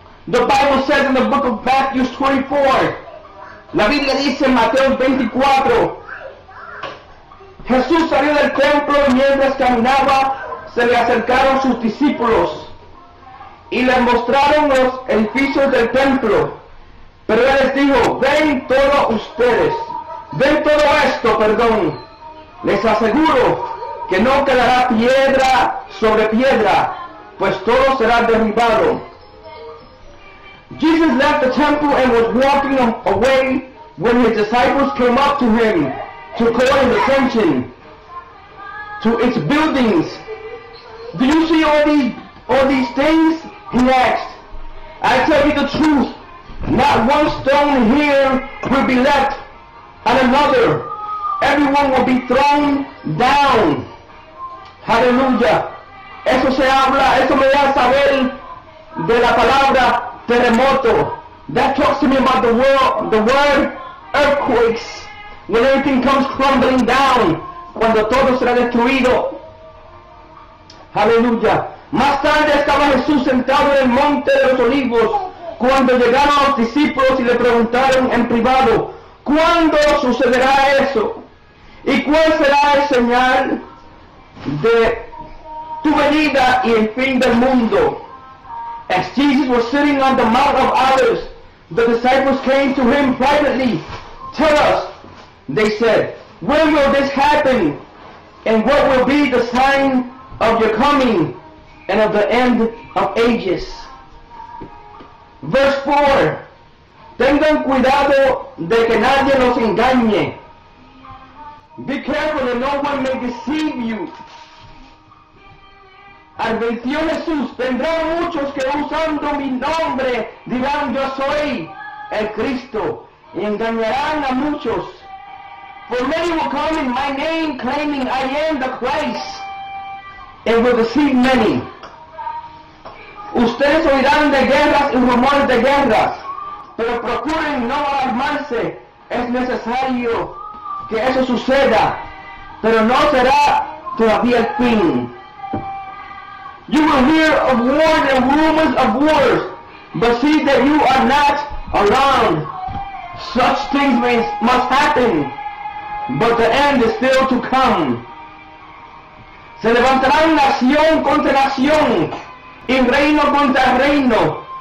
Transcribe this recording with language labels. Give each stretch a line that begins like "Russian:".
English: The Bible says in the book of Matthew 24,
Spanish: la Biblia dice en Mateo 24, Jesús salió del templo y mientras caminaba se le acercaron sus discípulos y le mostraron los edificios del templo. Pero él les dijo, ven todos ustedes, ven todo esto, perdón, les aseguro que no quedará piedra sobre piedra, pues todo será derribado.
English: Jesus left the temple and was walking away when his disciples came up to him to call his attention to its buildings. Do you see all these things? He asked. I tell you the truth, not one stone here will be left on another. Everyone will be thrown down. Hallelujah.
Spanish: Eso se habla, eso me da saber de la palabra terremoto.
English: That talks to me about the word earthquakes. When everything comes crumbling down.
Spanish: Cuando todo será destruido.
English: Hallelujah.
Spanish: Más tarde estaba Jesús sentado en el monte de los olivos. Cuando llegaron los discípulos y le preguntaron en privado, ¿cuándo sucederá eso? ¿Y cuál será el señal de tu venida y el fin del mundo?
English: As Jesus was sitting on the Mount of Olives, the disciples came to him privately. Tell us, they said, when will this happen? And what will be the sign of your coming and of the end of ages?
Spanish: Verse 4. Tengan cuidado de que nadie los engañe.
English: Be careful that no one may deceive you.
Spanish: Advirtió Jesús, vendrán muchos que usando mi nombre dirán yo soy el Cristo y engañarán a muchos.
English: For many will come in my name claiming I am the Christ and will deceive many.
Spanish: Ustedes oirán de guerras y rumores de guerras, pero procuren no alarmarse. Es necesario que eso suceda, pero no será todavía el fin.
English: You will hear of wars and rumors of wars, but see that you are not alarmed. Such things must happen, but the end is still to come.
Spanish: Se levantarán nación contra nación, y reino contra reino.